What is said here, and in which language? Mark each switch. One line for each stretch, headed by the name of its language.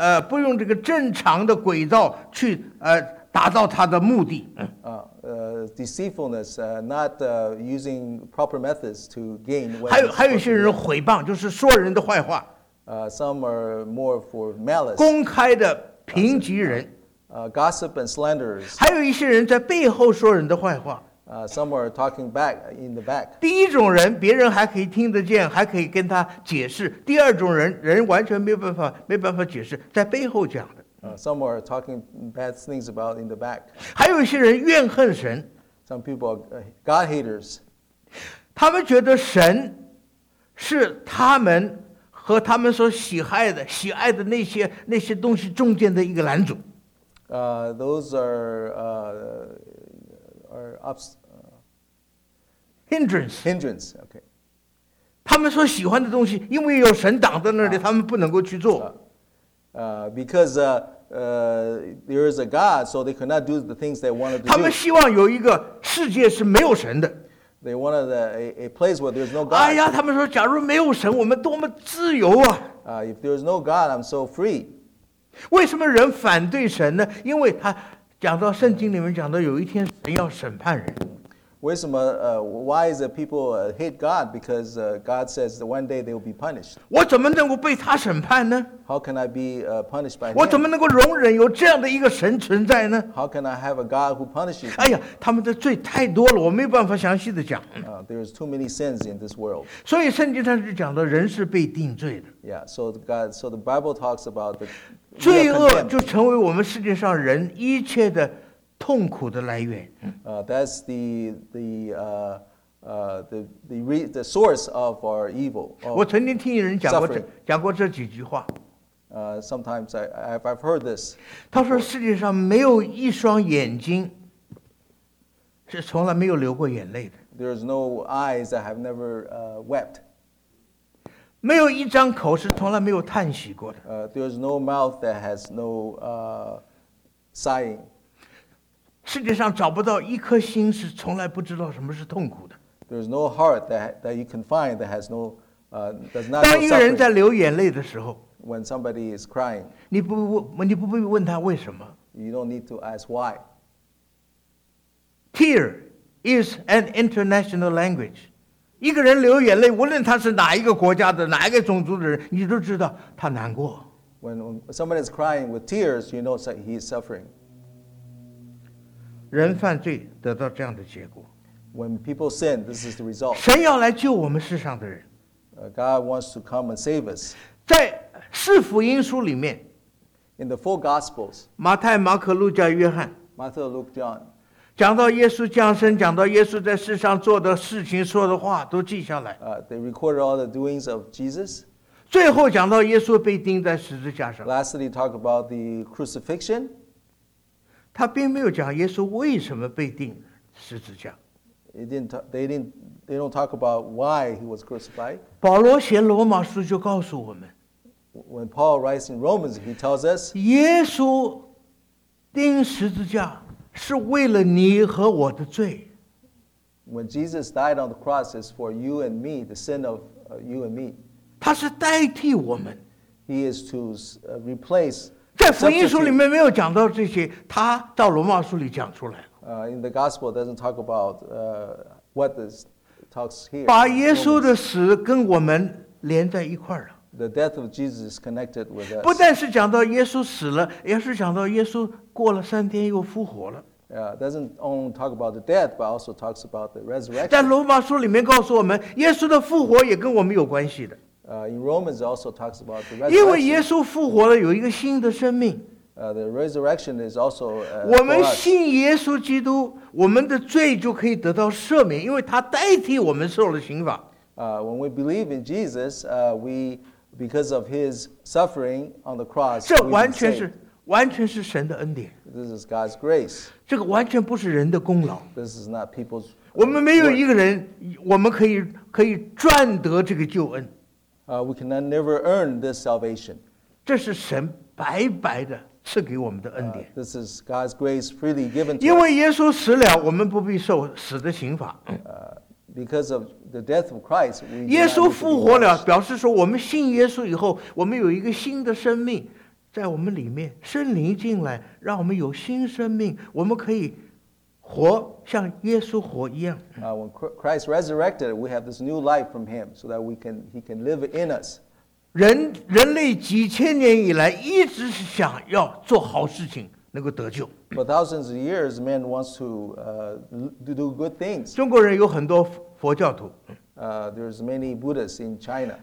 Chinese: 不用这个正常的诡道去达到他的目的。
English: Deceitfulness, not using proper methods to gain.
Chinese: 还有一些人毁谤，就是说人的坏话。
English: Some are more for malice.
Chinese: 公开的评级人。
English: Gossip and slanderers.
Chinese: 还有一些人在背后说人的坏话。
English: Some are talking back in the back.
Chinese: 第一种人，别人还可以听得见，还可以跟他解释；第二种人，人完全没办法解释，在背后讲的。
English: Some are talking bad things about in the back.
Chinese: 还有一些人怨恨神。
English: Some people are God haters.
Chinese: 他们觉得神是他们和他们所喜爱的那些东西中间的一个拦阻。
English: Those are ups, hindrance. Hindrance. Okay.
Chinese: 他们所喜欢的东西，因为有神挡在那里，他们不能够去做。
English: Because there is a God, so they could not do the things they wanted to do.
Chinese: 他们希望有一个世界是没有神的。
English: They wanted a place where there's no God.
Chinese: 哎呀，他们说，假如没有神，我们多么自由啊！
English: If there's no God, I'm so free.
Chinese: 为什么人反对神呢？因为他讲到圣经里面讲到有一天神要审判人。为什么
English: why is the people hate God? Because God says that one day they will be punished.
Chinese: 我怎么能够被他审判呢？
English: How can I be punished by him?
Chinese: 我怎么能够容忍有这样的一个神存在呢？
English: How can I have a God who punishes me?
Chinese: 哎呀，他们的罪太多了，我没办法详细的讲。
English: There's too many sins in this world.
Chinese: 所以圣经上就讲到人是被定罪的。
English: Yeah, so God, so the Bible talks about the
Chinese: 罪恶就成为我们世界上人一切的痛苦的来源。
English: That's the source of our evil.
Chinese: 我曾经听人讲过这几句话。
English: Sometimes I've heard this.
Chinese: 他说世界上没有一双眼睛是从来没有流过眼泪的。
English: There's no eyes that have never wept.
Chinese: 没有一张口是从来没有叹息过的。
English: There's no mouth that has no sighing.
Chinese: 世界上找不到一颗心是从来不知道什么是痛苦的。
English: There's no heart that you can find that has no, does not.
Chinese: 当一个人在流眼泪的时候
English: ，when somebody is crying，
Chinese: 你不必问他为什么。
English: You don't need to ask why. Tear is an international language.
Chinese: 一个人流眼泪，无论他是哪一个国家的、哪一个种族的人，你都知道他难过。
English: When somebody is crying with tears, you know that he is suffering.
Chinese: 人犯罪得到这样的结果。
English: When people sin, this is the result.
Chinese: 神要来救我们世上的人。
English: God wants to come and save us.
Chinese: 在四福音书里面
English: ，In the four Gospels,
Chinese: 马太、马可、路加、约翰
English: ，Matthew, Luke, John，
Chinese: 讲到耶稣降生，讲到耶稣在世上做的事情、说的话都记下来。
English: They recorded all the doings of Jesus.
Chinese: 最后讲到耶稣被钉在十字架上。
English: Lastly, talk about the crucifixion.
Chinese: 他并没有讲耶稣为什么被钉十字架。
English: They don't talk about why he was crucified.
Chinese: 保罗写罗马书就告诉我们。
English: When Paul writes in Romans, he tells us,
Chinese: 耶稣钉十字架是为了你和我的罪。
English: When Jesus died on the cross, it's for you and me, the sin of you and me.
Chinese: 他是代替我们。
English: He is to replace.
Chinese: 在福音书里面没有讲到这些，他到罗马书里讲出来。
English: In the gospel doesn't talk about what this talks here.
Chinese: 把耶稣的死跟我们连在一块了。
English: The death of Jesus is connected with us.
Chinese: 不但是讲到耶稣死了，也是讲到耶稣过了三天又复活了。
English: Yeah, doesn't only talk about the death, but also talks about the resurrection.
Chinese: 在罗马书里面告诉我们，耶稣的复活也跟我们有关系的。
English: In Romans, it also talks about the resurrection.
Chinese: 因为耶稣复活了，有一个新的生命。
English: The resurrection is also.
Chinese: 我们信耶稣基督，我们的罪就可以得到赦免，因为他代替我们受了刑罚。
English: When we believe in Jesus, we because of his suffering on the cross,
Chinese: 这完全是神的恩典。
English: This is God's grace.
Chinese: 这个完全不是人的功劳。
English: This is not people's
Chinese: 我们没有一个人我们可以赚得这个救恩。
English: We cannot never earn this salvation.
Chinese: 这是神白白的赐给我们的恩典。
English: This is God's grace freely given to us.
Chinese: 因为耶稣死了，我们不必受死的刑罚。
English: Because of the death of Christ, we.
Chinese: 耶稣复活了，表示说我们信耶稣以后，我们有一个新的生命在我们里面，圣灵进来，让我们有新生命，我们可以活像耶稣活一样。
English: When Christ resurrected, we have this new life from Him, so that he can live in us.
Chinese: 人类几千年以来一直是想要做好事情，能够得救。
English: For thousands of years, man wants to do good things.
Chinese: 中国人有很多佛教徒。
English: There's many Buddhists in China.